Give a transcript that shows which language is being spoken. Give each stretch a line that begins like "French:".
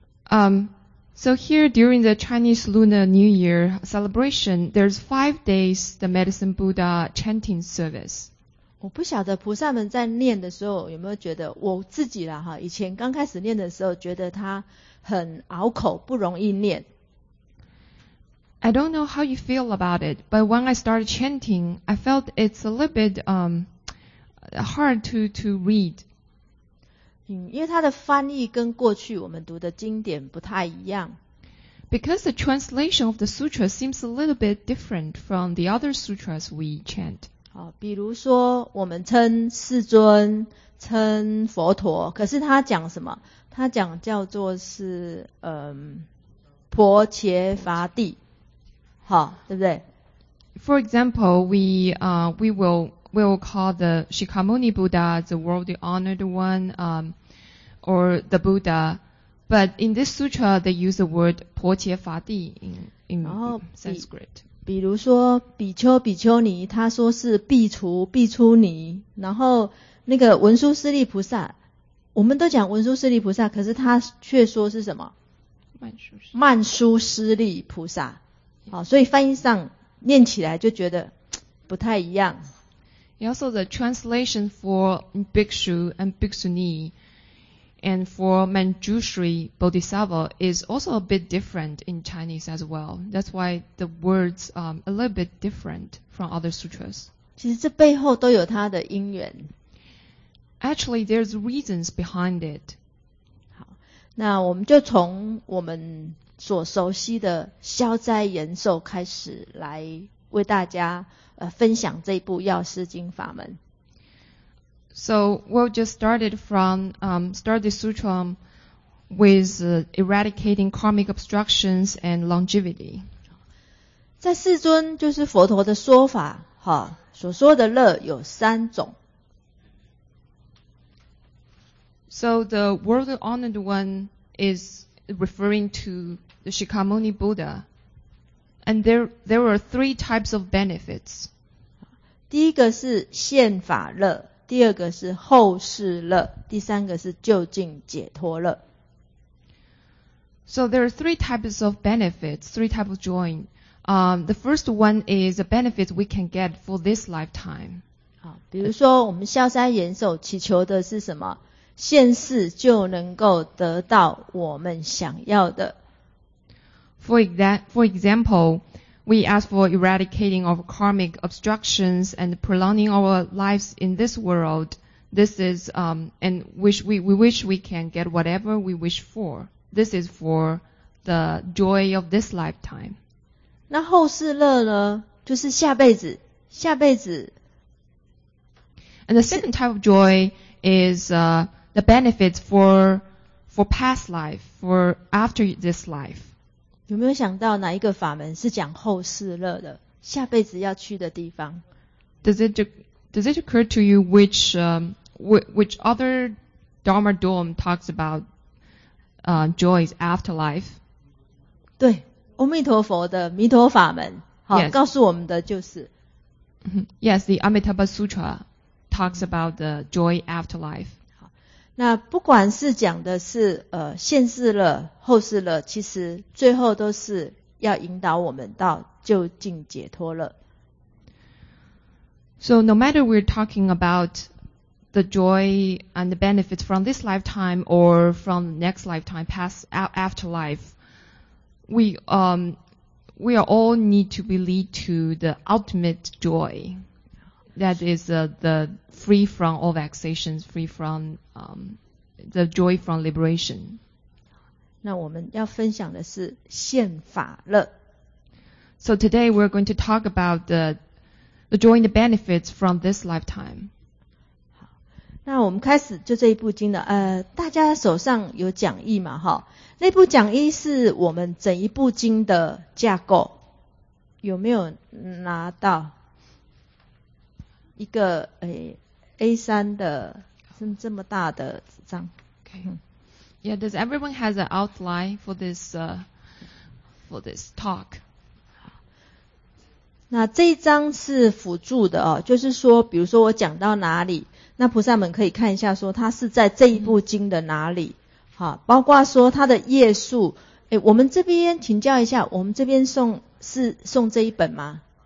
English: So here during the Chinese Lunar New Year celebration, there's 5 days the Medicine Buddha chanting service.
Chinese: 我不晓得菩萨们在念的时候有没有觉得，我自己啦哈，以前刚开始念的时候觉得它很拗口，不容易念。
English: I don't know how you feel about it, but when I started chanting, I felt it's a little bit hard to read.
Chinese: 因为它的翻译跟过去我们读的经典不太一样。
English: Because the translation of the sutra seems a little bit different from the other sutras we chant.
Chinese: 比如说我们称世尊称佛陀，可是他讲什么？他讲叫做是婆伽伐帝，好，对不对？
English: For example, we will call the Shikamuni Buddha the world honored one, or the Buddha, but in this sutra they use the word 婆伽伐帝 in Sanskrit.
Chinese: 比如说比丘比丘尼，他说是毗除毗出尼，然后那个文殊师利菩萨，我们都讲文殊师利菩萨，可是他却说是什么？曼殊师利菩萨。所以翻译上念起来就觉得不太一样。
English: Also the translation for Bhikshu and Bhikshuni and for Manjushri Bodhisattva is also a bit different in Chinese as well. That's why the words are a little bit different from other sutras.
Chinese: 其实这背后都有它的因缘。
English: Actually, there's reasons behind it.
Chinese: 好，那我们就从我们所熟悉的消灾延寿开始来为大家分享这部药师经法门。
English: So we'll just start the sutra with eradicating karmic obstructions and longevity.
Chinese: 在世尊就是佛陀的说法哈所说的乐有三种。
English: So the world honored one is referring to the Shikhamuni Buddha. And there are three types of benefits.
Chinese: 第一个是现法乐，第二个是后世乐，第三个是究竟解脱乐。
English: So there are three types of benefits, three types of joy. The first one is the benefits we can get for this lifetime.
Chinese: 比如说我们消灾延寿祈求的是什么？现世就能够得到我们想要的。
English: For example, we ask for eradicating of karmic obstructions and prolonging our lives in this world. This is, and wish we wish we can get whatever we wish for. This is for the joy of this lifetime.
Chinese: 那后世乐呢？就是下辈子，下辈子。
English: And the second type of joy is, the benefits for past life, for after this life.
Chinese: 有没有想到哪一个法门是讲后世乐的，下辈子要去的地方？
English: Does it occur to you which other Dharma Dome talks about joys after life?
Chinese: 对，阿弥陀佛的弥陀法门，好，
English: yes.
Chinese: 告诉我们的就是。
English: Yes, the Amitabha Sutra talks about the joy after life.
Chinese: 那不管是讲的是现世乐后世乐，其实最后都是要引导我们到究竟解脱乐。
English: So no matter we're talking about the joy and the benefits from this lifetime or from next lifetime, past afterlife, we all need to be lead to the ultimate joy, that is the free from all vexations, free from the joy from liberation.
Chinese: 那我们要分享的是现法乐。
English: So today we're going to talk about the joy and the benefits from this lifetime.
Chinese: 好，那我们开始就这一部经了。大家手上有讲义嘛？哈，那部讲义是我们整一部经的架构，有没有拿到一个A3 的？这么大的纸张。
English: Okay. Yeah, does everyone has an outline for this talk?
Chinese: 那这一张是辅助的哦，就是说，比如说我讲到哪里，那菩萨们可以看一下，说它是在这一部经的哪里。好，包括说它的页数。我们这边请教一下，我们这边送这一本吗